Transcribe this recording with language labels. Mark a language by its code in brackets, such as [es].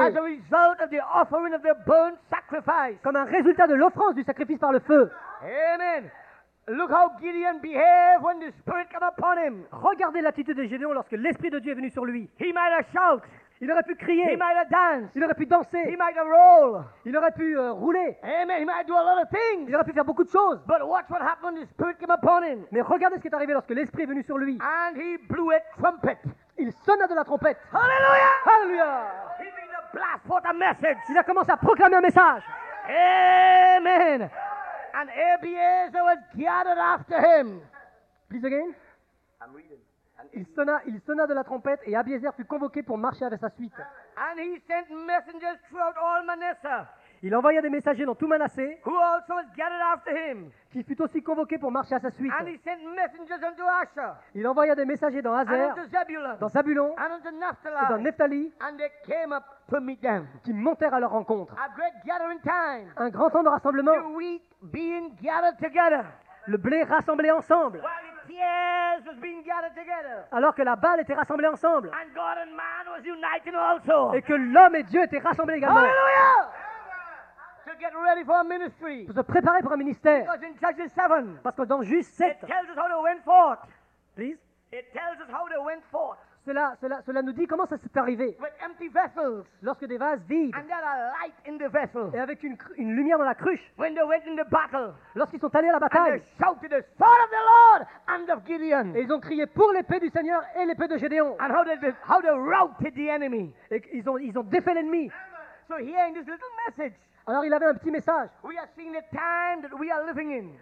[en] As a result of the offering of the burnt sacrifice. [fr] Comme un résultat de l'offrande du sacrifice par le feu. [en] Amen. Look how Gideon behaved when the Spirit came upon him. [fr] Regardez l'attitude de Gédéon lorsque l'Esprit de Dieu est venu sur lui. [en] He might have shouted. [fr] Il aurait pu crier. [en] He might have danced. [fr] Il aurait pu danser. [en] He might have rolled. [fr] Il aurait pu rouler. [en] Amen. He might do a lot of things. [fr] Il aurait pu faire beaucoup de choses. [en] But watch what happened when the Spirit came upon him. [fr] Mais regardez ce qui est arrivé lorsque l'Esprit est venu sur lui. [en] And he blew a trumpet. [fr] Il sonna de la trompette. [en] Hallelujah! Hallelujah! He made a blast for the message. [fr] Il a commencé à proclamer un message. [en] Amen. And Abiezer was gathered after him. Please again. I'm reading. [fr] And il sonna de la trompette et Abiezer fut convoqué pour marcher avec sa suite. [en] And he sent messengers throughout all Manasseh. [fr] Il envoya des messagers dans tout Manassé. [en] Who also was gathered after him. [fr] Qui fut aussi convoqué pour marcher à sa suite. [en] And he sent messengers unto Asher. [fr] Il envoya des messagers dans Aser. [en] And unto Zebulun. [fr] Dans Zabulon. [en] And unto Naphtali. [fr] Et dans Nephtali. [en] And they came up to meet them. [fr] Qui montèrent à leur rencontre. [en] A great gathering time. [fr] Un grand temps de rassemblement. [en] The wheat being gathered together. [fr] Le blé rassemblé ensemble. [en] Yes, was being gathered together. [fr] Alors que la balle était rassemblée ensemble. [en] And God and man was united also. [fr] Et que l'homme et Dieu étaient rassemblés également. [en] Hallelujah! To get ready for a ministry. [fr] Pour se préparer pour un ministère. [en] Because in Judges 7, [fr] parce que dans Juges 7, [en] it tells us how they went forth. Please. It tells us how they went forth. [fr] Cela nous dit comment ça s'est arrivé. [en] With empty vessels. [fr] Lorsque des vases vides. [en] And there's a light in the vessel. [fr] Et avec une lumière dans la cruche. [en] When they went in the battle. [fr] Lorsqu'ils sont allés à la bataille. [en] And they shouted the sword of the Lord and of Gideon. [fr] Et ils ont crié pour l'épée du Seigneur et l'épée de Gédéon. [en] And how they routed the enemy. [fr] Et ils ont défait l'ennemi. [en] So here in this little message. [fr] Alors il avait un petit message. [en] We are seeing the time that we are living in.